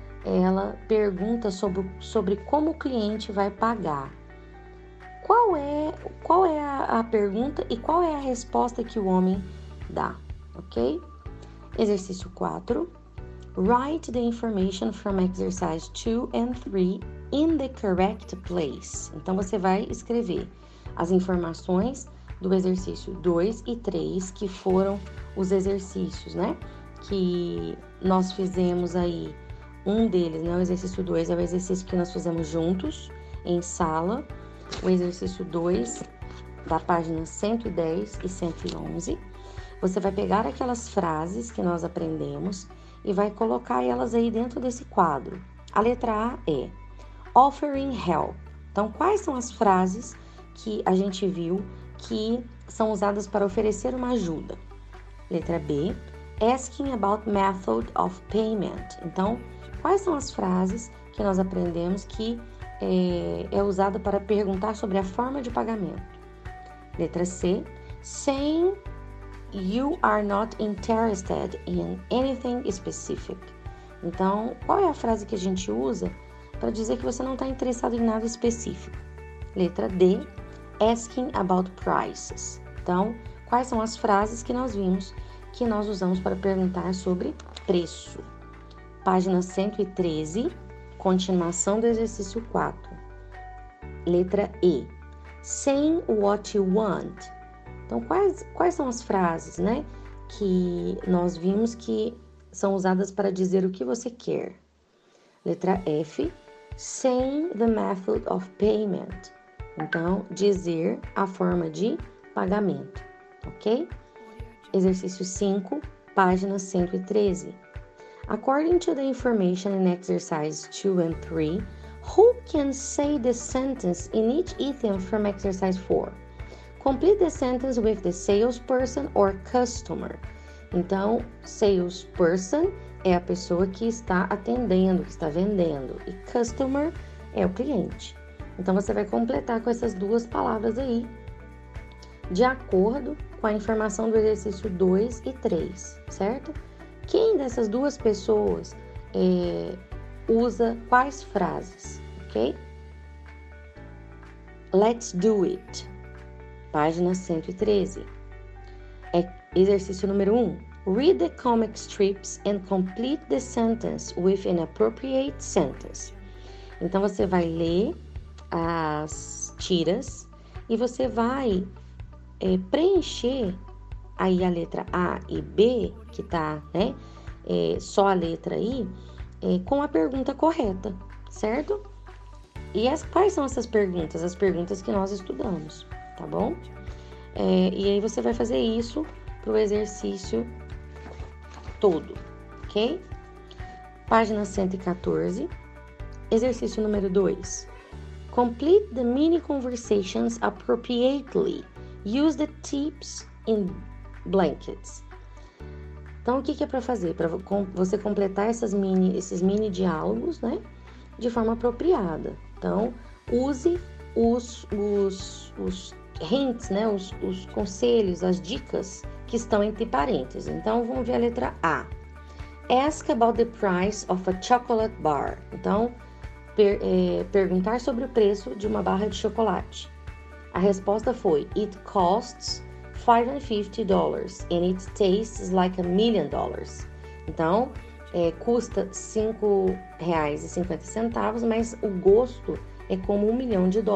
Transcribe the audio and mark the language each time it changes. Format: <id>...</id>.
<pt>Ela pergunta sobre como o cliente vai pagar. Qual é a pergunta e qual é a resposta que o homem dá, ok? Exercício 4.</pt> <en>Write the information from exercise 2 and 3 in the correct place.</en> <pt>Então, você vai escrever as informações do exercício 2 e 3, que foram os exercícios, né? Que nós fizemos aí. Um deles, né? O exercício 2 é o exercício que nós fizemos juntos, em sala. O exercício 2, da página 110 e 111. Você vai pegar aquelas frases que nós aprendemos e vai colocar elas aí dentro desse quadro. A letra A é</pt> <en>offering help.</en> <pt>Então, quais são as frases que a gente viu que são usadas para oferecer uma ajuda? Letra B,</pt> <en>asking about method of payment.</en> <pt>Então, quais são as frases que nós aprendemos que é usada para perguntar sobre a forma de pagamento?</pt> <en>Letra C, saying you are not interested in anything specific.</en> <pt>Então, qual é a frase que a gente usa para dizer que você não está interessado em nada específico? Letra D,</pt> <en>asking about prices.</en> <pt>Então, quais são as frases que nós vimos que nós usamos para perguntar sobre preço? Página 113, continuação do exercício 4. Letra E.</pt> <en>Saying what you want.</en> <pt>Então, quais são as frases, né, que nós vimos que são usadas para dizer o que você quer? Letra F.</pt> <en>Saying the method of payment.</en> <pt>Então, dizer a forma de pagamento. Ok? Exercício 5, página 113.</pt> <en>According to the information in exercise 2 and 3, who can say the sentence in each item from exercise 4? Complete the sentence with the salesperson or customer.</en> <pt>Então, salesperson é a pessoa que está atendendo, que está vendendo. E customer é o cliente. Então, você vai completar com essas duas palavras aí, de acordo com a informação do exercício 2 e 3, certo? Quem dessas duas pessoas usa quais frases, ok?</pt> <en>Let's do it.</en> <pt>Página 113. Exercício número 1.</pt> <en>Read the comic strips and complete the sentence with an appropriate sentence.</en> <pt>Então, você vai ler as tiras e você vai preencher aí a letra A e B, que tá, né? Só a letra aí, com a pergunta correta, certo? E quais são essas perguntas? As perguntas que nós estudamos, tá bom? E aí você vai fazer isso pro exercício todo, ok? Página 114, exercício número 2.</pt> <en>Complete the mini conversations appropriately. Use the tips in blankets.</en> <pt>Então, o que é para fazer? Para você completar esses mini diálogos, né? De forma apropriada. Então, use os hints, né? Os conselhos, as dicas que estão entre parênteses. Então, vamos ver a letra A.</pt> <en>Ask about the price of a chocolate bar.</en> <pt>Então, perguntar sobre o preço de uma barra de chocolate. A resposta foi,</pt> <en>it costs $550 and it tastes like $1 million.</en> <pt>Então, custa R$5,50, mas o gosto é como US$ 1 milhão.</pt>